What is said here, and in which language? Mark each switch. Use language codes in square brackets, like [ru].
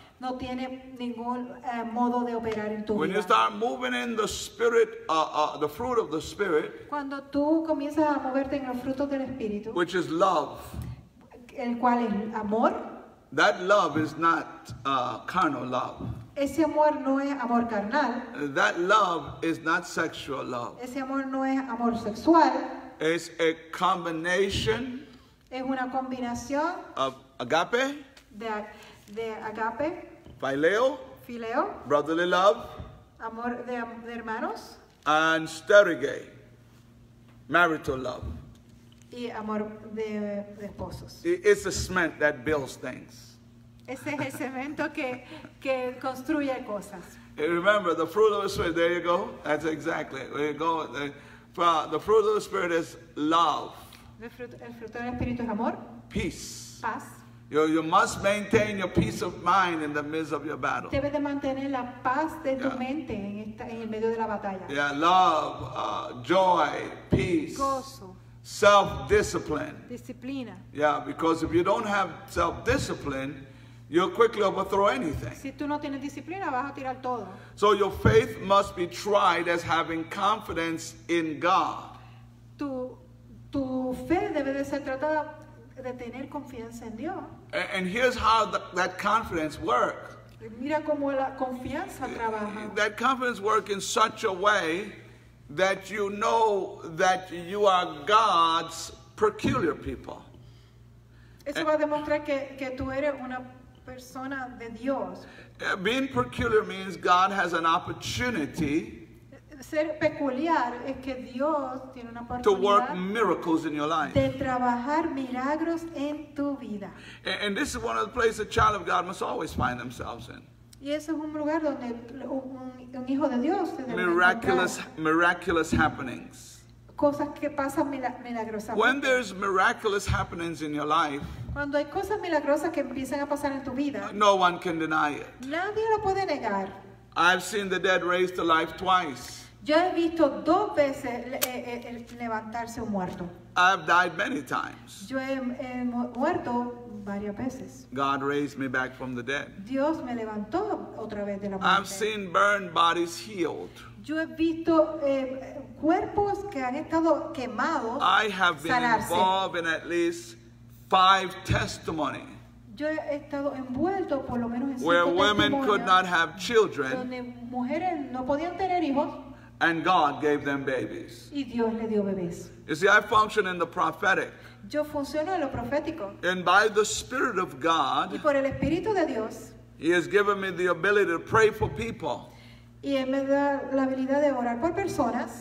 [es] No tiene ningún modo de operar en tu [en] when [es] vida. [en] You start moving in the spirit, the fruit of the spirit, [es] cuando tú comienzas a moverte en los frutos del Espíritu, [en] which is love, [es] el cual es amor, [en] that love is not carnal love. [es] Ese amor no es amor carnal. [en] That love is not sexual love. [es] Ese amor no es amor sexual. [en] It's a combination. [es] Es una combinación [en] of agape. [es] De agape, [en] phileo, brotherly love, [es] amor de hermanos, [en] and storied, marital love, [es] y amor de esposos. [en] It's a cement that builds things. [es] Ese es el cemento que construye cosas. [en] And remember, the fruit of the Spirit, there you go, that's exactly it. Where you go, the fruit of the Spirit is love, [es] el fruto del Espíritu es amor, [en] peace, [es] paz. [en] You must maintain your peace of mind in the midst of your battle. [es] Debes de mantener la paz de tu mente en el medio de la batalla. [en] Yeah, love, joy, peace. [es] Gozo. [en] Self-discipline. [es] Disciplina. [en] Yeah, because if you don't have self-discipline, you'll quickly overthrow anything. [es] Si tú no tienes disciplina, vas a tirar todo. [en] So your faith must be tried as having confidence in God. [es] Tu fe debe de ser tratada de tener confianza en Dios. [en] And here's how that confidence works. [es] Mira cómo la confianza trabaja. [en] That confidence works in such a way that you know that you are God's peculiar people. [es] Eso va a demostrar que tú eres una persona de Dios. [en] Being peculiar means God has an opportunity. [es] Ser peculiar es que Dios tiene una oportunidad [en] to work miracles in your life. [es] De trabajar milagros en tu vida. [en] And this is one of the places a child of God must always find themselves in. [es] Y eso es un lugar donde un hijo de Dios se debe [en] miraculous, [es] encontrar. [en] Miraculous happenings. [es] Cosas que pasan milagrosamente. [en] When there's miraculous happenings in your life, [es] cuando hay cosas milagrosas que empiezan a pasar en tu vida, [en] no one can deny it. [es] Nadie lo puede negar. [en] I've seen the dead raised to life twice. [es] Yo he visto dos veces el levantarse un muerto. [en] I've died many times. [es] Yo he muerto varias veces. varias veces. [en] God raised me back from the dead. [es] Dios me levantó otra vez de la muerte. [en] I've seen burned bodies healed. [es] Yo he visto cuerpos que han estado quemados. [en] I have been [es] sanarse. [en] Involved in at least 5 testimonies. [es] Yo he estado envuelto por lo menos en 5 [en] testimonios. Where women could not have children. [es] Donde mujeres no podían tener hijos. [en] And God gave them babies. [es] Y Dios le dio bebés. [en] You see, I function in the prophetic. [es] Yo funciono en lo profético. [en] And by the Spirit of God. [es] Y por el Espíritu de Dios. [en] He has given me the ability to pray for people. [es] Y él me da la habilidad de orar por personas.